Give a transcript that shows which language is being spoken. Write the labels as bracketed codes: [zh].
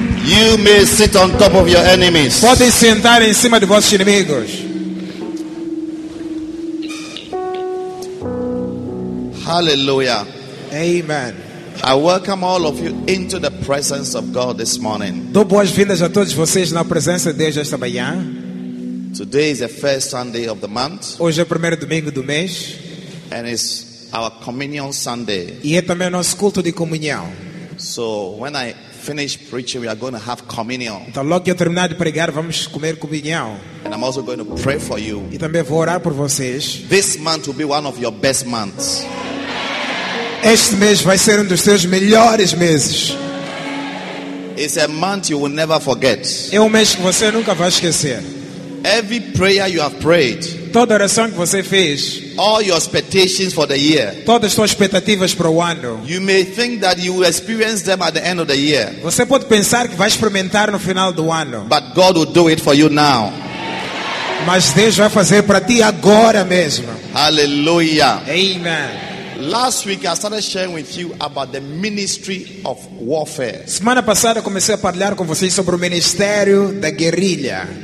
[en] You may sit on top of your enemies. [pt] Podem sentar em cima de vossos inimigos. Hallelujah. Amen. [en] I welcome all of you into the presence of God this morning. [pt] Dou boas-vindas a todos vocês na presença de Deus esta manhã. [en] Today is the first Sunday of the month. [pt] Hoje é o primeiro domingo do mês. [en] And it's our communion Sunday. [pt] E é também o nosso culto de comunhão. [en] So when I finish preaching, we are going to have communion. [pt] Então logo que eu terminar de pregar, vamos comer comunhão. [en] And I'm also going to pray for you. [pt] E também vou orar por vocês. [en] This month will be one of your best months. [pt] Este mês vai ser dos seus melhores meses. [en] It's a month you will never forget. [pt] É mês que você nunca vai esquecer. [en] Every prayer you have prayed. [pt] Toda oração que você fez. [en] All your expectations for the year. [pt] Todas as suas expectativas para o ano. [en] You may think that you will experience them at the end of the year. [pt] Você pode pensar que vai experimentar no final do ano. [en] But God will do it for you now. [pt] Mas Deus vai fazer para ti agora mesmo. Hallelujah. Amen. [en] Last week I started sharing with you about the ministry of warfare. [pt] Semana passada comecei a falar com vocês sobre o ministério da guerrilha.